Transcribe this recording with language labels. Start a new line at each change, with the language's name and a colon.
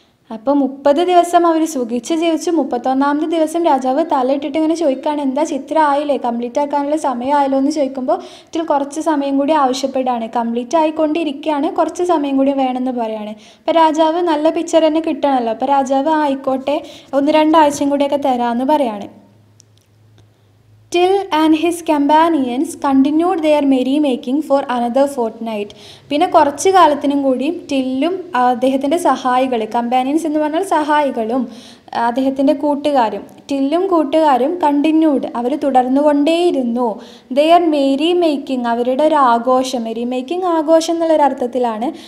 Malayalam: അപ്പോൾ 30 ദിവസം അവർ സുഖിച്ച് ജീവിച്ചു. 31-ാമത്തെ ദിവസം രാജാവ് തലയിട്ടിട്ട് ഇങ്ങനെ ചോദിക്കുകയാണ്, എന്താ ചിത്രം ആയില്ലേ, കംപ്ലീറ്റ് ആക്കാനുള്ള സമയമായല്ലോ എന്ന് ചോദിക്കുമ്പോൾ, ഇതിൽ കുറച്ച് സമയം കൂടി ആവശ്യപ്പെടുകയാണ്, കംപ്ലീറ്റ് ആയിക്കൊണ്ടിരിക്കുകയാണ്, കുറച്ച് സമയം കൂടി വേണമെന്ന് പറയുകയാണ്. അപ്പോൾ രാജാവ് നല്ല പിക്ചർ തന്നെ കിട്ടണമല്ലോ, അപ്പോൾ രാജാവ് ആയിക്കോട്ടെ ഒന്ന് രണ്ടാഴ്ചയും കൂടിയൊക്കെ തരാമെന്ന് പറയുകയാണ്.
English: Till and his companions continued their merrymaking for another fortnight.
Malayalam: പിന്നെ കുറച്ച് കാലത്തിനും കൂടി ടില്ലും അദ്ദേഹത്തിൻ്റെ സഹായികൾ, കമ്പാനിയൻസ് എന്ന് പറഞ്ഞാൽ സഹായികളും അദ്ദേഹത്തിൻ്റെ കൂട്ടുകാരും, ടില്ലും കൂട്ടുകാരും continued, our തുടർന്നുകൊണ്ടേയിരുന്നു.
English: there merry making,
Malayalam: അവരുടെ ഒരു ആഘോഷം, മേരി മേക്കിംഗ് ആഘോഷം എന്നുള്ളൊരു അർത്ഥത്തിലാണ്.